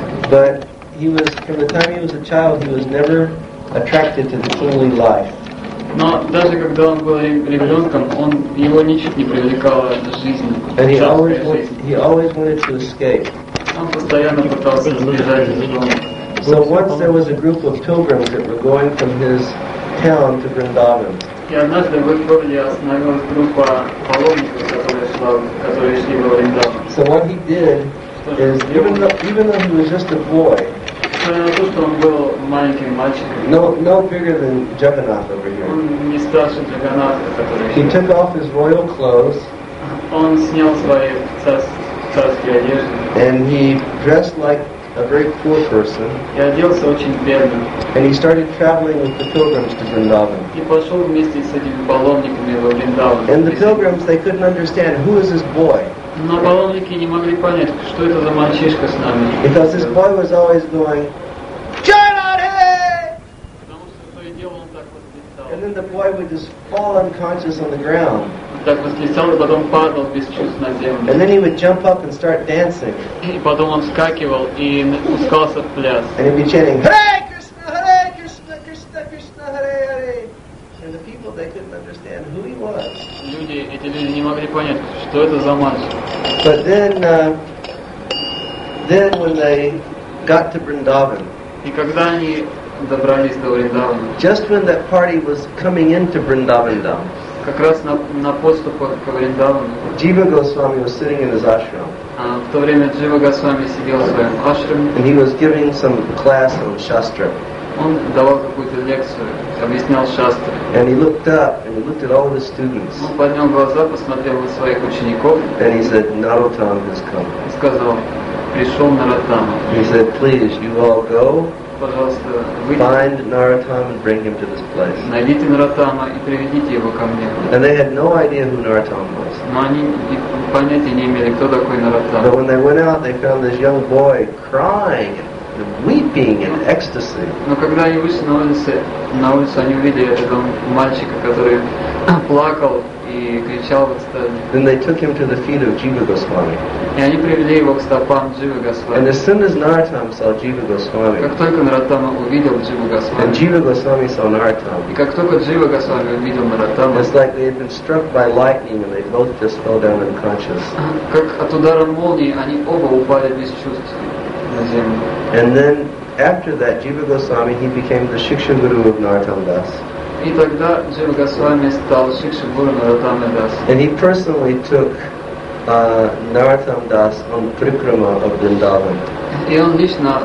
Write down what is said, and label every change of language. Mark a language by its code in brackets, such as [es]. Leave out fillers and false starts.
[en] But he was, from the time he was a child, he was never attracted to the kingly life. [ru] Но даже когда он был ребенком, он его ничуть не привлекало к жизни. [en] And he always wanted to escape. [ru] Он постоянно пытался сбежать из дома. [en] So once there was a group of pilgrims that were going from his town to Vrindavan. [ru] И однажды в городе остановилась группа паломников, которые шли во Вриндаван. [en] So what he did is even though he was just a boy. No bigger than Jagannath over here. He took off his royal clothes. [ru] он снял свои царские одежды. [en] And he dressed like a very poor person. [ru] И оделся очень бедно. [en] And he started traveling with the pilgrims to Vrindavan. [ru] И пошел вместе с этими паломниками во Вриндаван. [en] And the pilgrims, they couldn't understand, who is this boy? [ru] Но паломники не могли понять, что это за мальчишка с нами. [en] Because this boy was always going, Charlotte! [ru] Потому что то и дело он так возлетал. [en] And then the boy would just fall unconscious on the ground. [ru] Так возлетал и потом падал без чувств на землю. [en] And then he would jump up and start dancing. [ru] И потом он вскакивал и пускался в пляс. [en] And he'd be chanting, Hare Krishna, Hare Krishna, Krishna Krishna, Hare Hare. And the people, they couldn't understand who he was. [ru] Эти люди не могли понять, что это за мальчик. [en] But then when they got to Vrindavan, [ru] и когда они добрались до Вриндавана, [en] just when that party was coming into Vrindavan, [ru] как раз на подступах к Вриндавану, [en] Джива Госвами was sitting in his ashram. [ru] В то время Джива Госвами сидел в своем ашраме. [en] And he was giving some class on Shastra. [ru] Он давал какую-то лекцию, объяснял шастры. [en] And he looked up and he looked at all of his students. [ru] Он поднял глаза, посмотрел на своих учеников. [en] And he said, Narottam has come. [ru] И сказал, пришел Нараттама. [en] He said, please, you all go. [ru] Пожалуйста, выйдите. [en] Find Narottam and bring him to this place. [ru] Найдите Нараттама и приведите его ко мне. [en] And they had no idea who Narottam was. [ru] Но они понятия не имели, кто такой Нараттама. [en] But when they went out, they found this young boy crying. Weeping in ecstasy. [ru] Но когда они вышли на улицу, они увидели этого мальчика, который плакал и кричал в экстазе. [en] Then they took him to the feet of Jiva Goswami. [ru] И они привели его к стопам Джива Госвами. [en] And as soon as Narottam saw Jiva Goswami. [ru] Как только Нараттама увидел Джива Госвами. [en] And Jiva Goswami saw Narottam. [ru] И как только Джива Госвами увидел Нараттама. [en] It's like they had been struck by lightning and they both just fell down unconscious. [ru] Как от удара молнии они оба упали без чувств. [en] And then after that, Jiva Goswami, he became the Shiksha Guru of Narottam Das. And he personally took Narottam Das on the parikrama of Vrindavan.